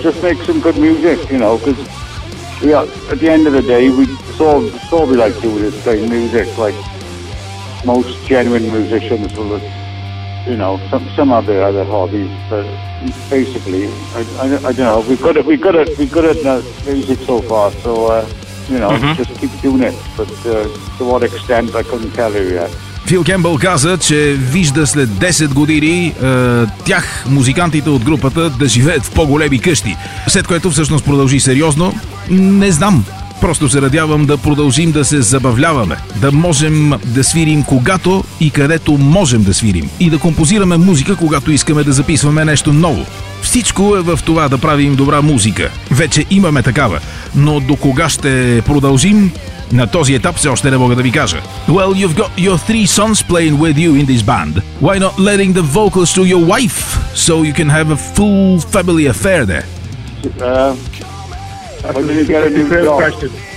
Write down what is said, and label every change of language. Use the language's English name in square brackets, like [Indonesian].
[English] Just make some good music, you know, because yeah, at the end of the day, that's all we like to do, is play music like most genuine musicians will, you know, some of their other hobbies. But basically, I don't know, we've got it music so far, so, just keep doing it. But to what extent, I couldn't tell you yet. [Bulgarian] Фил Кембъл каза, че вижда след 10 години тях, музикантите от групата, да живеят в по-големи къщи. След което всъщност продължи сериозно. Не знам. Просто се надявам да продължим да се забавляваме. Да можем да свирим когато и където можем да свирим. И да композираме музика, когато искаме да записваме нещо ново. Всичко е в това да правим добра музика. Вече имаме такава. Но до кога ще продължим? На този етап все още не мога да ви кажа. [English] Well, you've got your 3 sons playing with you in this band. Why not letting the vocals to your wife so you can have a full family affair there? When did you get a new job? Question.